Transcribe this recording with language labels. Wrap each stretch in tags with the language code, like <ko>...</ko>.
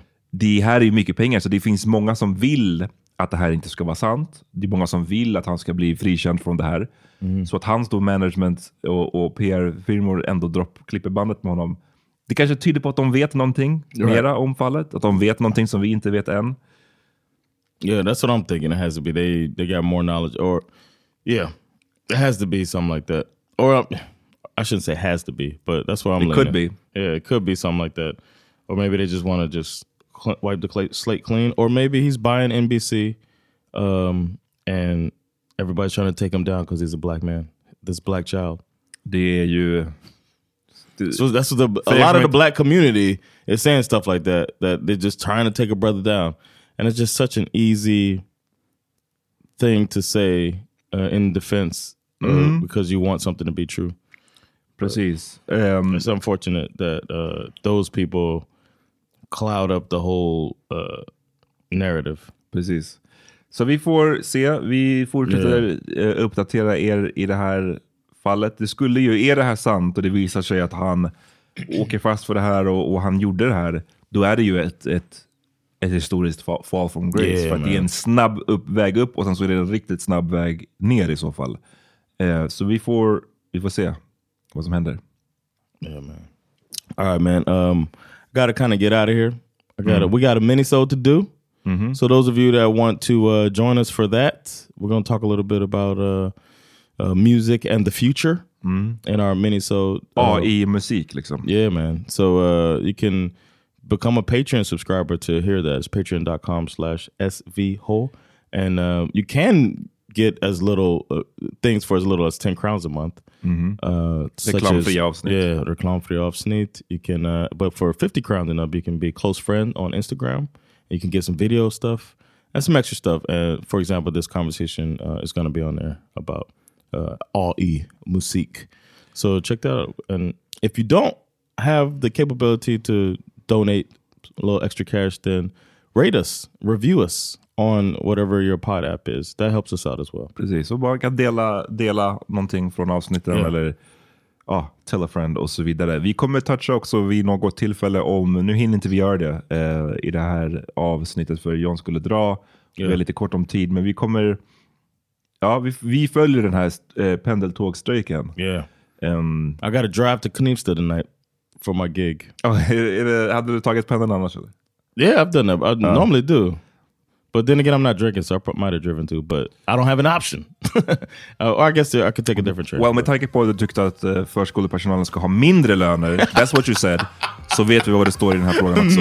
<sv>det här är ju mycket pengar, så det finns många som vill att det här inte ska vara sant. Det är många som vill att han ska bli frikänd från det här. Mm. Så att hans då management och PR-firmor ändå klipper bandet med honom. Det kanske tyder på att de vet någonting mera om fallet. Att de vet någonting som vi inte vet än.</sv> <en>Yeah, that's what I'm thinking it has to be. They got more knowledge. Or, yeah, it has to be something like that. Or, I shouldn't say has to be, but that's what I'm like. It could be. Yeah, it could be something like that. Or maybe they just want to just wipe the slate clean. Or maybe he's buying NBC and everybody's trying to take him down because he's a black man. This black child. Yeah, you... So that's what a lot of the black community is saying, stuff like that, that they're just trying to take a brother down. And it's just such an easy thing to say in defense because you want something to be true.</en> <sv>Precis.</sv> <en>It's unfortunate that those people cloud up the whole narrative.</en> <sv>Precis. Så vi får se. Vi fortsätter uppdatera er i det här fallet. Det skulle ju, är det här sant och det visar sig att han åker fast för det här och han gjorde det här, då är det ju ett historiskt</sv> <en>fall from grace. Yeah,</en> <sv>för att det är en snabb väg upp och sen så är det en riktigt snabb väg ner i så fall. Så vi får se vad som händer.</sv> <en>Yeah, man. All right, man. Gotta kind of get out of here. We got a minisode to do. Mm-hmm. So those of you that want to join us for that, we're going to talk a little bit about music and the future in our minisode.</en> <sv>AI musik, liksom.</sv> <en>Yeah, man. So you can become a Patreon subscriber to hear that. It's patreon.com/svho. And you can get as little things for as little as 10 crowns a month.</en> <sv>Mm-hmm. Reklam</sv> <en>free</en> <sv>avsnitt.</sv> <en>Yeah,</en> <sv>reklam</sv> <en>free</en> <sv>avsnitt.</sv> <en>You can, but for 50 crowns and up, you can be a close friend on Instagram. You can get some video stuff and some extra stuff. And for example, this conversation is going to be on there about AI musik. So check that out. And if you don't have the capability to donate a little extra cash, then rate us, review us on whatever your pod app is. That helps us out as well.</en> <sv>Precis. Så bara kan dela någonting från avsnittet eller</sv> <en>tell a friend</en> <sv>och så vidare. Vi kommer toucha också vid något tillfälle om, nu hinner inte vi göra det i det här avsnittet för John skulle dra. Vi är lite kort om tid, men vi kommer, vi följer den här pendeltågstrejken.</sv> <en>Yeah. I got to drive to Knivsta tonight for my gig.</en> <sv>Hade du tagit pendeln annars?</sv> <en>Yeah, I've done that. I normally do. But then again, I'm not drinking, so I might have driven too, but I don't have an option. Or I guess I could take a different trip. Well,</en> <sv>med tanke på att du tyckte att förskolepersonalen ska ha mindre löner,</sv> <en>that's what you said,</en> <sv>så vet vi vad det står i den här frågan också.</sv>